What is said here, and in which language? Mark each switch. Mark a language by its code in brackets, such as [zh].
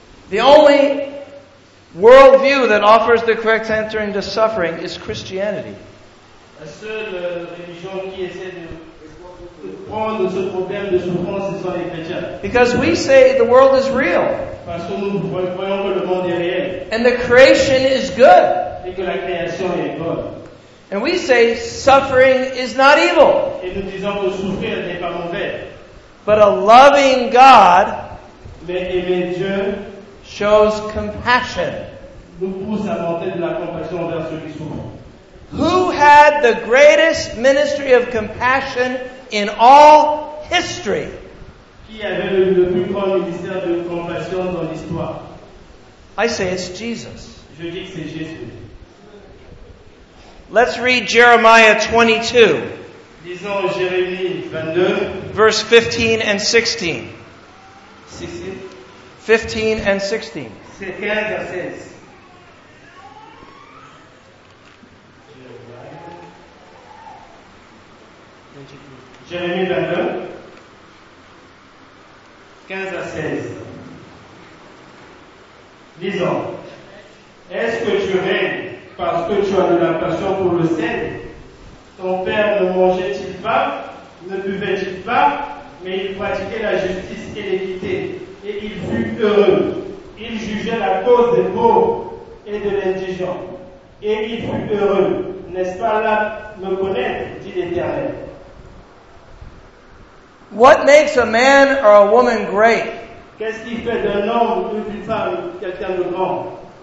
[en] The only worldview that offers the correct answer into suffering is Christianity. [fr] La seule religion qui essaie de prendre ce problème de souffrance, c'est les chrétiens. [en] Because we say the world is real. [fr] Parce que nous croyons que le monde est réel. [en] And the creation is good. [fr] Et que la création est bonne. [en] And we say suffering is not evil. [fr] Et nous disons que souffrir n'est pas mauvais. [en] But a loving God, [fr] mais aimer Dieu, [en] shows compassion. [fr] Nous pousse à monter de la compassion envers ceux qui souffrent. [en] Who had the greatest ministry of compassion in all history? [fr] Qui avait le plus grand ministère de compassion dans l'histoire? [en] I say it's Jesus. [fr] Je dis que c'est Jésus. [en] Let's read Jeremiah 22. [fr] Lisons Jérémie 22. [en] Verse 15 and 16. 15 and 16. 15 and 16. [fr] Jérémie 22, 15 à 16. Disons, est-ce que tu règnes parce que tu as de la passion pour le sel? Ton père ne mangeait-il pas, ne buvait-il pas, mais il pratiquait la justice et l'équité, et il fut heureux. Il jugeait la cause des pauvres et de l'indigent, et il fut heureux. N'est-ce pas là me connaître, dit l'Éternel? [en] What makes a man or a woman great? [fr] Qu'est-ce qui fait d'un homme ou d'une femme quelqu'un de grand?